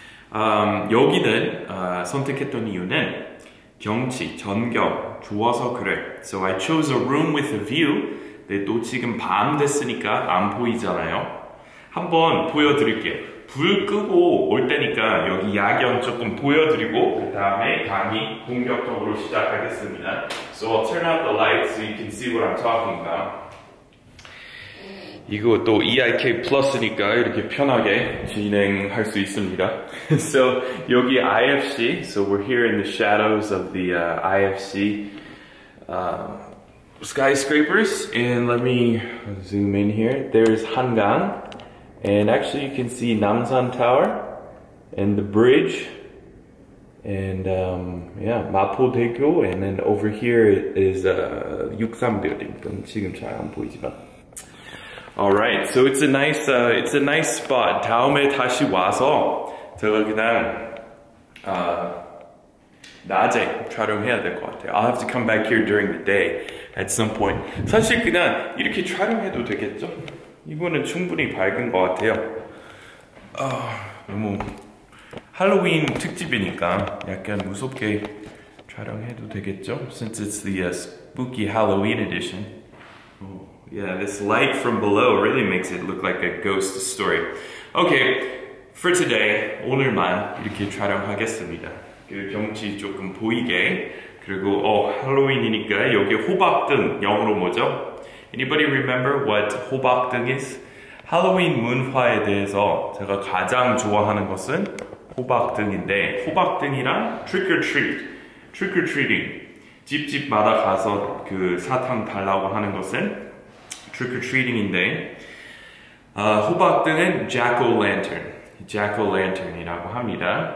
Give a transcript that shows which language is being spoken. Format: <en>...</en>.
<ko>여기는 선택했던 이유는 경치, 전경 좋아서 그래.</ko> <en>So I chose a room with a view.</en> <ko>근데 또 지금 밤 됐으니까 안 보이잖아요. 한번 보여드릴게요. 불 끄고 올 테니까 여기 야경 조금 보여드리고 그 다음에 강의 본격적으로 시작하겠습니다.</ko> <en>So I'll turn out the light so you can see what I'm talking about.</en> <ko>이거 또 EIK 플러스니까 이렇게 편하게 진행할 수 있습니다.</ko> <en>So</en> <ko>여기</ko> <en>IFC, so we're here in the shadows of the IFC skyscrapers. And let me zoom in here. There's Hangang. And actually you can see Namsan Tower and the bridge. And yeah, 마포대교. And then over here is Yuksan building.</en> <ko>지금 잘 안 보이지만.</ko> <en>All right, so it's a nice spot.</en> <ko>다음에 다시 와서 제가 그냥 낮에 촬영해야 될 것 같아요.</ko> <en>I'll have to come back here during the day at some point.</en> <ko>사실 그냥 이렇게 촬영해도 되겠죠? 이거는 충분히 밝은 것 같아요. 너무 할로윈 특집이니까 약간 무섭게 촬영해도 되겠죠?</ko> <en>Since it's the spooky Halloween edition. Yeah, this light from below really makes it look like a ghost story. Okay, for today,</en> <ko>오늘만 이렇게 촬영하겠습니다. 그 경치 조금 보이게, 그리고 할로윈이니까 여기 호박등, 영어로 뭐죠?</ko> <en>Anybody remember what 호박등 is?</en> <ko>할로윈 문화에 대해서 제가 가장 좋아하는 것은 호박등인데, 호박등이랑 trick-or-treating, 집집마다 가서 그 사탕 달라고 하는 것은 trick-or-treating인데 호박등은 jack-o'-lantern, jack-o'-lantern이라고 합니다.</ko>